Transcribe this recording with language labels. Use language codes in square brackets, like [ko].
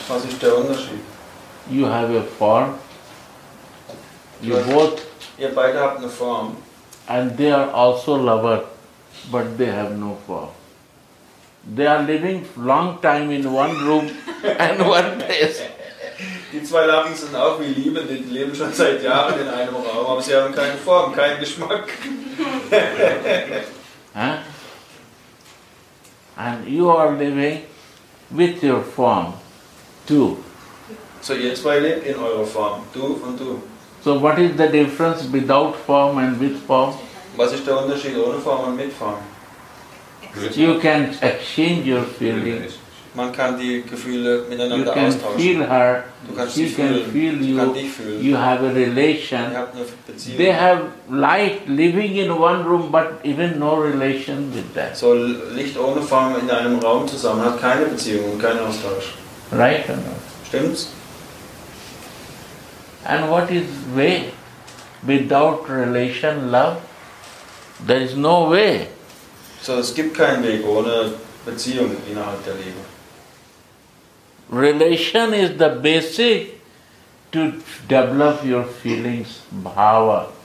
[de] Was ist der Unterschied? [en] You have a form. You both. [de] Ihr beide habt eine Form. [en] And they are also lovers, but they have no form. They are living long time in one room and one place. [de] Die zwei Lampen sind auch wie Liebe, die leben schon seit Jahren in einem Raum, aber sie haben keine Form, keinen Geschmack. [en] And you are living with your form, too. [de] So ihr zwei lebt in eurer Form, du und du. [en] So what is the difference without form and with form? [de] Was ist der Unterschied ohne Form und mit Form? [en] You can exchange your feelings. [de] Man kann die Gefühle miteinander [en] you can [de] austauschen. [en] Feel her. [de] Du kannst [en] she [de] sie [en] can [de] fühlen. [en] Feel [de] du [en] you. [de] Kann dich fühlen. [en] You have a relation. [de] Ihr habt eine Beziehung. [en] They have light living in one room, but even no relation with that. [de] So Licht ohne Form in einem Raum zusammen hat keine Beziehung und keinen Austausch. [en] Right or not? [de] Stimmt's? [en] And what is way without relation, love? There is no way. [de] So es gibt keinen Weg ohne Beziehung innerhalb der Liebe. [en] Relation is the basic to develop your feelings, bhava.